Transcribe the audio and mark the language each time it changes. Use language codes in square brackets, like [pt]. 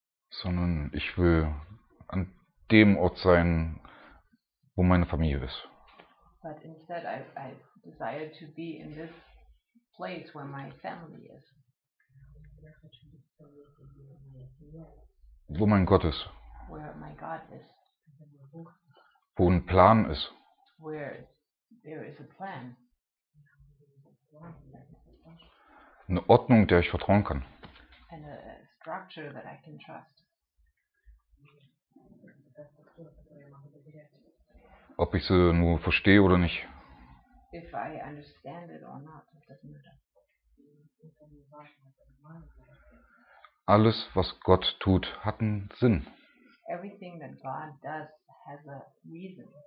[de] Sondern ich will an dem Ort sein, wo meine Familie ist. [en] But instead I desire to be in this place where my family is. [de] Wo mein Gott ist. [en] Where my God is. [de] Wo ein Plan ist. [en] Where there is a plan. [de] Eine Ordnung, der ich vertrauen kann. [en] And a structure that I can trust. [de] Ob ich sie nur verstehe oder nicht. [en] If I understand it or not, it doesn't matter. [de] Alles, was Gott tut, hat einen Sinn. [en] Everything that God does has a reason.